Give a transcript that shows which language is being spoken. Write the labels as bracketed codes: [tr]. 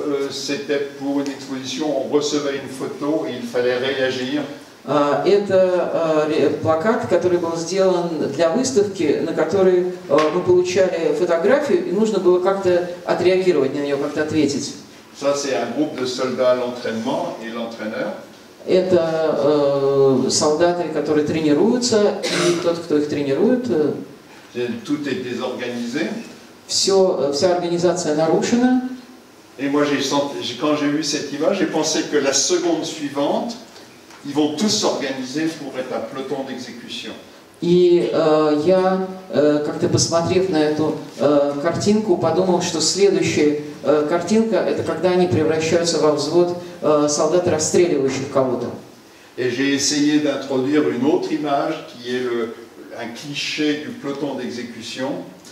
[fr] C'était pour une exposition. On recevait une photo et il fallait réagir. [ru] Это плакат, который был сделан для выставки, на который мы получали фотографию и нужно было как-то отреагировать на нее, как-то ответить. [fr] Ça, c'est un groupe de soldats à l'entraînement et l'entraîneur. [ru] Это солдаты, которые тренируются, и тот, кто их тренирует. [fr] Tout est désorganisé. [ru] Вся организация нарушена. [fr] Et moi, quand j'ai vu cette image, j'ai pensé que la seconde suivante, ils vont tous s'organiser pour être un peloton d'exécution. [ru] И я как-то посмотрев на эту картинку, подумал, что следующая картинка это когда они превращаются во взвод солдат расстреливающих кого-то. [fr] Et j'ai essayé d'introduire une autre image qui est un cliché du peloton d'exécution.